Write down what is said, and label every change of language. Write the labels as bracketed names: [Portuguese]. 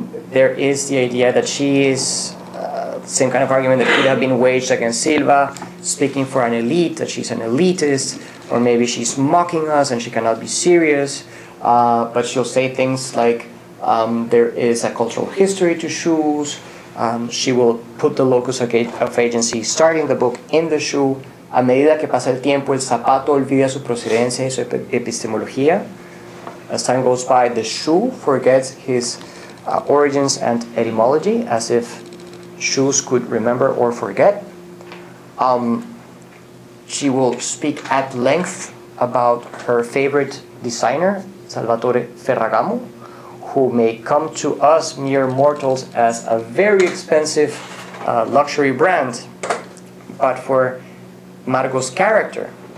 [English] There is the idea that she is the same kind of argument that could have been waged against Silva, speaking for an elite, that she's an elitist, or maybe she's mocking us and she cannot be serious. But she'll say things like, there is a cultural history to shoes. She will put the locus of agency starting the book in the shoe. [Spanish] A medida que pasa el tiempo, el zapato olvida su procedencia y su epistemología. [English] As time goes by, the shoe forgets his origins and etymology, as if shoes could remember or forget. She will speak at length about her favorite designer, Salvatore Ferragamo, who may come to us mere mortals as a very expensive luxury brand, but for Margot's character,